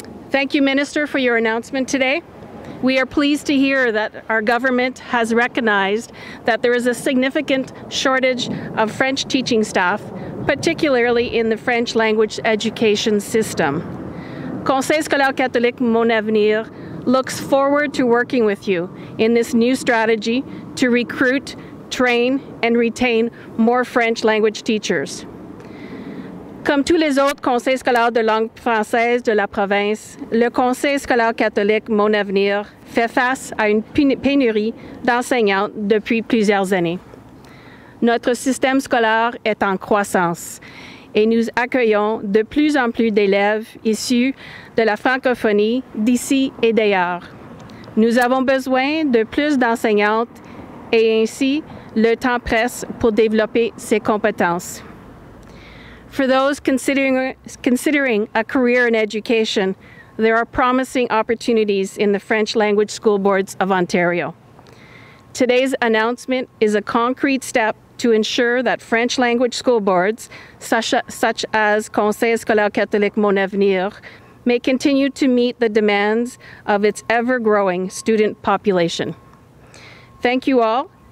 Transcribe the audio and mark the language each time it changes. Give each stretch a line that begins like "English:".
English: Thank you, Minister, for your announcement today. We are pleased to hear that our government has recognized that there is a significant shortage of French teaching staff, particularly in the French language education system. Conseil scolaire catholique Mon Avenir looks forward to working with you in this new strategy to recruit, train, and retain more French language teachers.
French: Comme tous les autres conseils scolaires de langue française de la province, le Conseil scolaire catholique Mon Avenir fait face à une pénurie d'enseignants depuis plusieurs années. Notre système scolaire est en croissance et nous accueillons de plus en plus d'élèves issus de la francophonie d'ici et d'ailleurs. Nous avons besoin de plus d'enseignantes et ainsi le temps presse pour développer ces compétences.
English: For those considering a career in education, there are promising opportunities in the French language school boards of Ontario. Today's announcement is a concrete step to ensure that French language school boards, such as Conseil scolaire catholique Mon Avenir, may continue to meet the demands of its ever-growing student population. Thank you all.